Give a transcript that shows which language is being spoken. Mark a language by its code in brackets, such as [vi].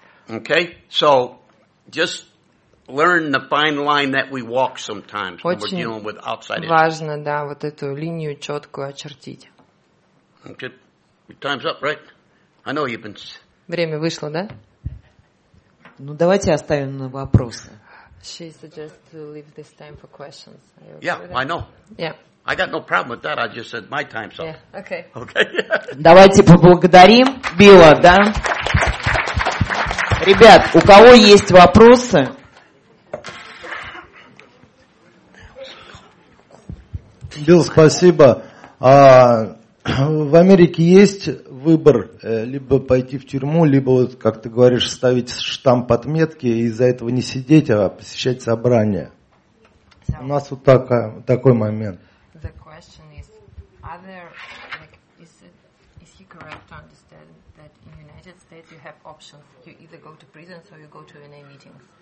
[en] Okay, so just learn the fine line that we walk sometimes when [ru] очень [en] we're dealing with outside. [ru] Важно, да, вот эту линию четкую очертить. [en] Okay, your time's up, right? I know you've been. [ru] Время вышло, да? Ну, давайте оставим на вопросы. [en] She suggests to leave this time for questions. Yeah, I know. Yeah. I got no problem with that. I just said my time's up. Yeah, okay. Okay. [ru] Давайте поблагодарим Билла, да? Ребят, у кого есть вопросы? Билл, спасибо. В Америке есть выбор либо пойти в тюрьму, либо, вот, как ты говоришь, ставить штамп отметки и из-за этого не сидеть, а посещать собрание. So, у нас вот такой момент. [en] The question is, are there, like, is he correct to understand that in United States you have options? You either go to prison or you go to NA meetings?